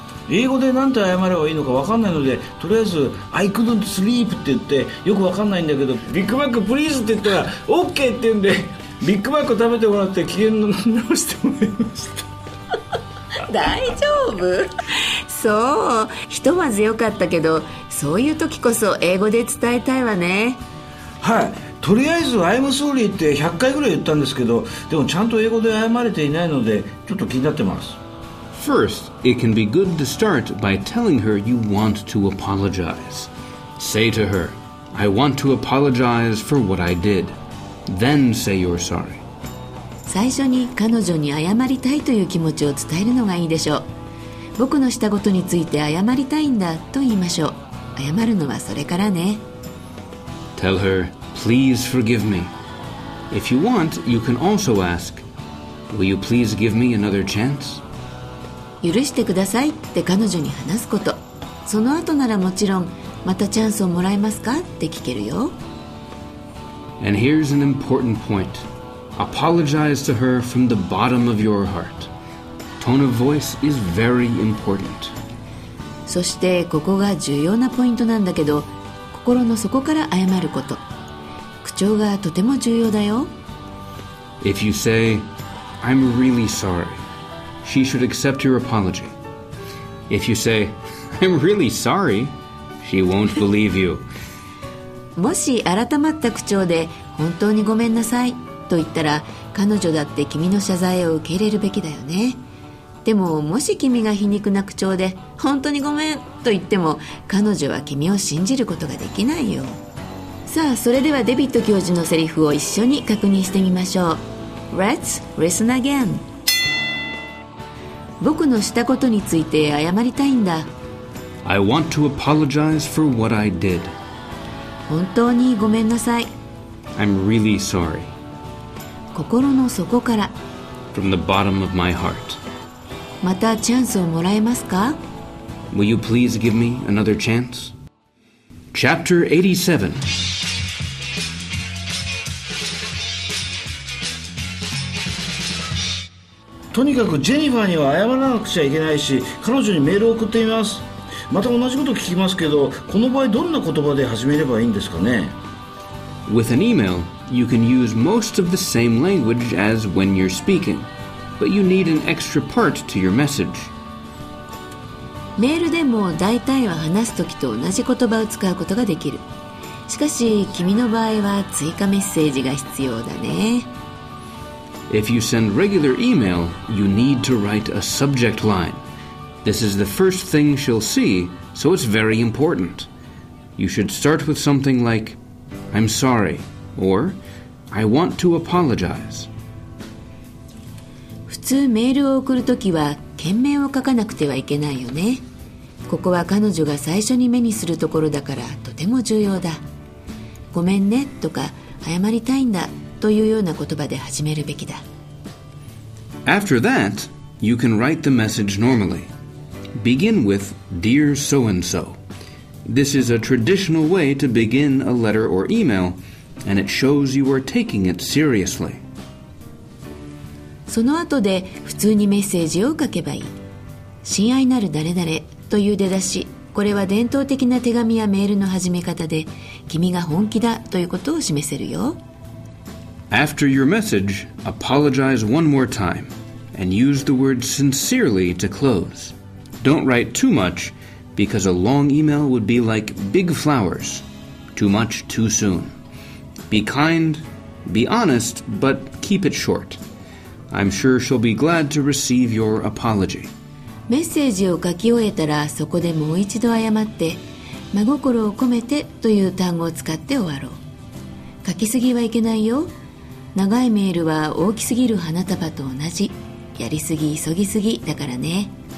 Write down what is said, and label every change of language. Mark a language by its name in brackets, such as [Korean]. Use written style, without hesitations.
[Japanese] 英語で何て謝ればいいのか分かんないので、とりあえず [English] I couldn't sleep [Japanese] って言って、よく分かんないんだけどビッグマックプリーズって言ったら OK って言うんで、ビッグマック食べてもらって機嫌の直してもらいました。大丈夫？そう、ひとまずよかったけど、そういう時こそ英語で伝えたいわね。はい、とりあえず [English] I'm sorry [Japanese] って100回ぐらい言ったんですけど、でもちゃんと英語で謝れていないのでちょっと気になってます。 [English] First, it can be good to start by telling her you want to apologize. Say to her, I want to apologize for what I did. Then say you're sorry. [Japanese] 最初に彼女に謝りたいという気持ちを伝えるのがいいでしょう。僕のしたことについて謝りたいんだと言いましょう。謝るのはそれからね。 [English] Tell her, please forgive me. If you want, you can also ask, will you please give me another chance? [Japanese] 許してくださいって彼女に話すこと。その後ならもちろん、またチャンスをもらえますかって聞けるよ。 [English] And here's an important point. Apologize to her from the bottom of your heart. Tone of voice is very important. [Japanese] そしてここが重要なポイントなんだけど、心の底から謝ること、口調がとても重要だよ。 [English] If you say, I'm really sorry, she should accept your apology. If you say, I'm really sorry. She won't believe you. [Japanese] もし改まった口調で本当にごめんなさいと言ったら、彼女だって君の謝罪を受け入れるべきだよね。でももし君が皮肉な口調で本当にごめんと言っても、彼女は君を信じることができないよ。さあ、それではデビッド教授のセリフを一緒に確認してみましょう。 [English] Let's listen again. [Japanese] 僕のしたことについて謝りたいんだ。 [English] I want to apologize for what I did. [Japanese] 本当にごめんなさい。 [English] I'm really sorry. [Japanese] 心の底から。 [English] From the bottom of my heart. [Japanese] またチャンスをもらえますか？ [English] Will you please give me another chance? Chapter 87. [Japanese] とにかくジェニファーには謝らなくちゃいけないし、彼女にメールを送ってみます。また同じこと聞きますけど、この場合どんな言葉で始めればいいんですかね？ [English] With an email, you can use most of the same language as when you're speaking, but you need an extra part to your message. [Japanese] メールでも大体は話すときと同じ言葉を使うことができる。しかし君の場合は追加メッセージが必要だね。 [English] If you send regular email, you need to write a subject line. This is the first thing she'll see, so it's very important. You should start with something like, I'm sorry, or I want to apologize. [Japanese] 普通メールを送るときは件名を書かなくてはいけないよね。ここは彼女が最初に目にするところだからとても重要だ。ごめんねとか謝りたいんだというような言葉で始めるべきだ。 [English] After that, you can write the message normally. Begin with Dear so-and-so. This is a traditional way to begin a letter or email, and it shows you are taking it seriously. [Japanese] その後で普通にメッセージを書けばいい。親愛なる誰々という出だし、これは伝統的な手紙やメールの始め方で、君が本気だということを示せるよ。 [English] After your message, apologize one more time and use the word sincerely to close. Don't write too much because a long email would be like big flowers. Too much too soon. Be kind, be honest, but keep it short. I'm sure she'll be glad to receive your apology. [Japanese] メッセージを書き終えたら、そこでもう一度謝って、真心を込めてという単語を使って終わろう。書きすぎはいけないよ。長いメールは大きすぎる花束と同じ、やりすぎ急ぎすぎだからね。